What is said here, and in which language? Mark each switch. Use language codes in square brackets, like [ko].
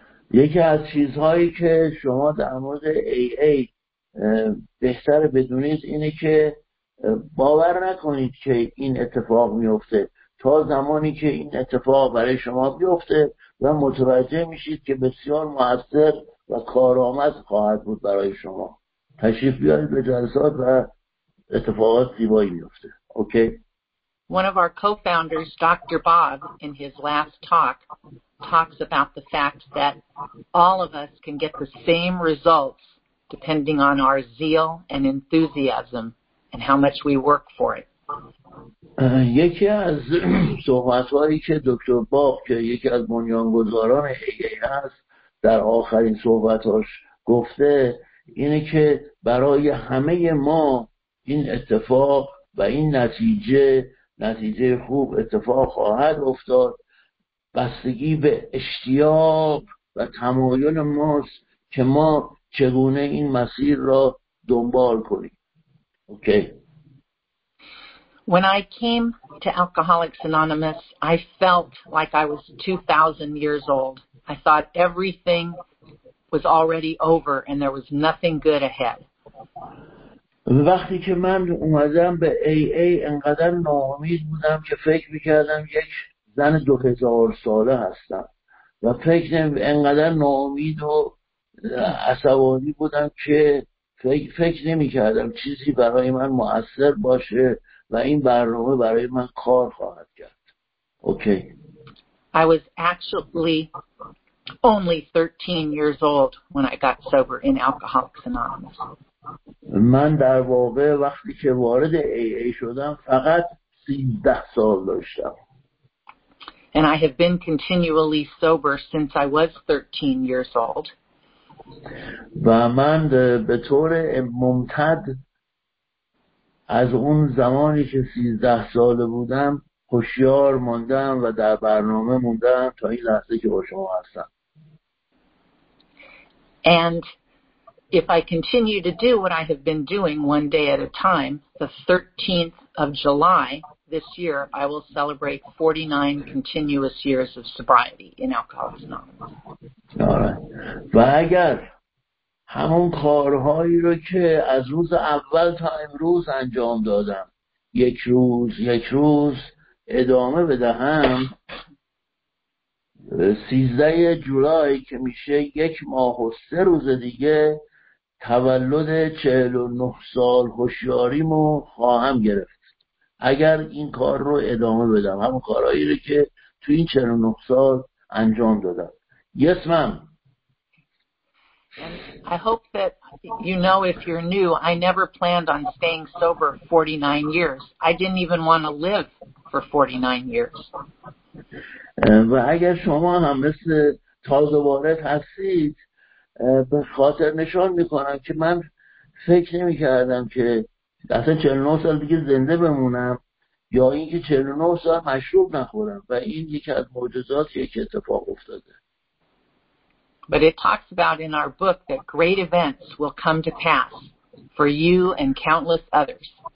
[fa] یکی از چیزهایی که شما در مورد AA بهتر بدونید اینه که باور نکنید که این اتفاق میفته تا زمانی که این اتفاق برای شما بیفته و متوجه میشید که بسیار مؤثر و کارآمد خواهد بود برای شما. تشریف بیارید به جلسات و اتفاقات زیبایی میفته. اوکی. [en] One of our co-founders, Dr. Bob, in his last talk talks about the fact that all of us can get the same results depending on our zeal and enthusiasm and how much we work for it. [fa] یکی از صحبت‌هایی که دکتر باب که یکی از بنیانگذاران AA است در آخرین صحبت‌هاش گفته اینه که برای همه ما این اتفاق و این نتیجه خوب اتفاق خواهد افتاد بستگی به اشتیاق و تمایل ماست که ما چگونه این مسیر را دنبال کنیم. اوکی. [en] When I came to Alcoholics Anonymous, I felt like I was 2,000 years old. I thought everything was already over and there was nothing good ahead. [fa] وقتی که من اومدم به AA انقدر ناامید بودم که فکر میکردم یک زن 2000 ساله هستم و فکر انقدر ناامید و عصبانی بودم که فکر نمیکردم چیزی برای من مؤثر باشه و این برنامه برای من کار خواهد کرد. اوکی. [en] Okay. I was actually only 13 years old when I got sober in Alcoholics Anonymous. [fa] من در واقع وقتی که وارد AA شدم فقط 13 سال داشتم. [en] And I have been continually sober since I was 13 years old. [fa] و من به طور ممتد از اون زمانی که 13 ساله بودم هوشیار ماندم و در برنامه موندم تا این لحظه که با شما هستم. [en] And if I continue to do what I have been doing one day at a time, the 13th of July this year, I will celebrate 49 continuous years of sobriety in Alcoholics Anonymous. آره. [fa] و اگر همون کارهایی رو که از روز اول تا امروز انجام دادم یک روز ادامه بدهم 13 جولای که میشه یک ماه و 3 روز دیگه تولد 49 سال هوشیاریمو خواهم گرفت اگر این کار رو ادامه بدم همون کارهایی رو که تو این 49 سال انجام دادم. [en] Yes, ma'am. And I hope that you know if you're new, I never planned on staying sober 49 years. I didn't even want to live for 49 years. [fa] و اگر شما هم مثل تازه وارد هستید به خاطر نشان میکنم که من فکر نمیکردم که اصلا 49 سال دیگه زنده بمونم یا اینکه 49 سال مشروب نخورم و این یکی از معجزاتیه که اتفاق افتاده. [en] But it talks about in our book that great events will come to pass for you and countless others.